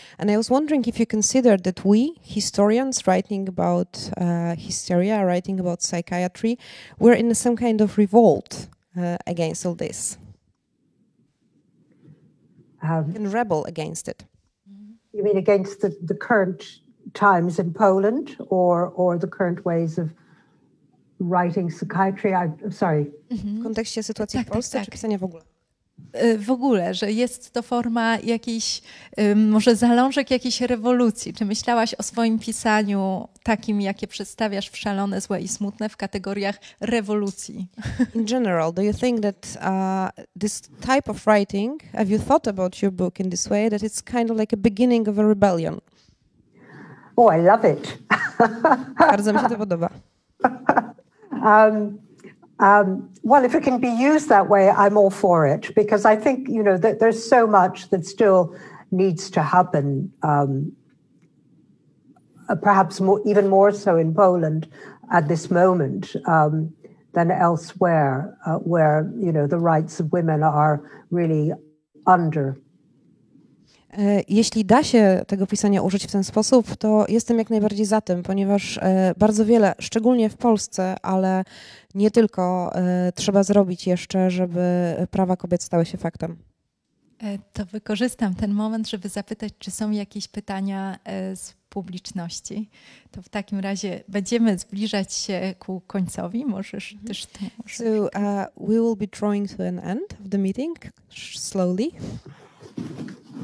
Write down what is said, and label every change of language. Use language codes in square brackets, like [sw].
[en] And I was wondering if you consider that we, historians, writing about hysteria, writing about psychiatry, we're in some kind of revolt against all this. And rebel against it. You mean against the current times in Poland or the current ways of writing psychiatry? I'm sorry. [pl] W kontekście sytuacji w Polsce, czy pisania w ogóle? W ogóle, że jest to forma jakiejś, może zalążek jakiejś rewolucji. Czy myślałaś o swoim pisaniu takim, jakie przedstawiasz w Szalone, Złe i Smutne, w kategoriach rewolucji? [en] In general, do you think that this type of writing, have you thought about your book in this way, that it's kind of like a beginning of a rebellion? Oh, I love it. [pl] Bardzo mi się to podoba. [en] Well, if it can be used that way, I'm all for it. Because I think, you know, that there's so much that still needs to happen. Perhaps more, even more so in Poland at this moment than elsewhere, where, you know, the rights of women are really under. [pl] Jeśli da się tego pisania użyć w ten sposób, to jestem jak najbardziej za tym, ponieważ bardzo wiele, szczególnie w Polsce, ale nie tylko, trzeba zrobić jeszcze, żeby prawa kobiet stały się faktem. To wykorzystam ten moment, żeby zapytać, czy są jakieś pytania z publiczności. To w takim razie będziemy zbliżać się ku końcowi. Możesz też to. [en] So, we will be drawing to an end of the meeting slowly. Thank you.